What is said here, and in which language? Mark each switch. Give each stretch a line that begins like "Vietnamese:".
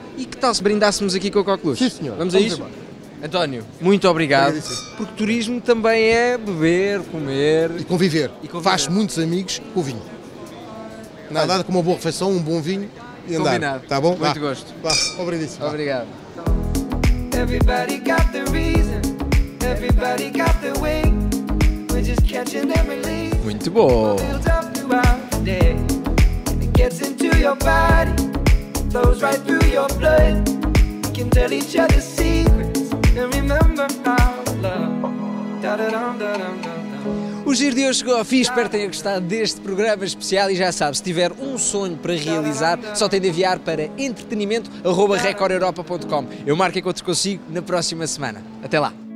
Portuguese: E que tal se brindássemos aqui com a coqueluche? Sim, senhor. Vamos a isso? António, muito obrigado, porque turismo também é beber, comer... E conviver. Faz muitos amigos com o vinho. Nada como uma boa refeição, um bom vinho e andar. Combinado. Tá bom? Muito gosto. Vá. Obrigadíssimo. Obrigado.
English: Everybody got the reason. Everybody got the way. We're just catching and release.
Portuguese: Muito bom.
English: Gets into your body. Flows right through your blood. We can tell each other secrets. And remember our love. Da-da-dum-da-dum-dum.
Portuguese: O Giro de hoje chegou ao fim, espero que tenham gostado deste programa especial e já sabe, se tiver um sonho para realizar, só tem de enviar para entretenimento@recordeuropa.com. Eu marco encontro consigo na próxima semana. Até lá!